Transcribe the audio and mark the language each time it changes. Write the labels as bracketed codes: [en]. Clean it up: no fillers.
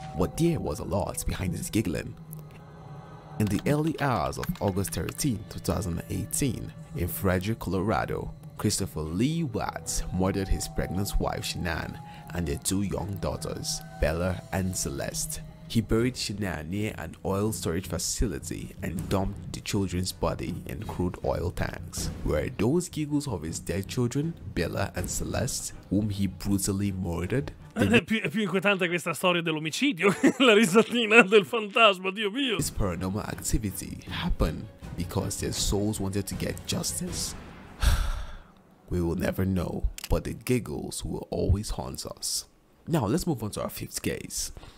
[en] But there was a lot behind his giggling. In the early hours of August 13, 2018, in Frederick, Colorado, Christopher Lee Watts murdered his pregnant wife Shannon and their two young daughters, Bella and Celeste. He buried Shannon near an oil storage facility and dumped the children's body in crude oil tanks. Were those giggles of his dead children, Bella and Celeste, whom he brutally murdered? [it] È più inquietante questa storia dell'omicidio, la risatina del fantasma, Dio mio! [en] This paranormal activity happened because their souls wanted to get justice? We will never know, but the giggles will always haunt us. Now, let's move on to our fifth case.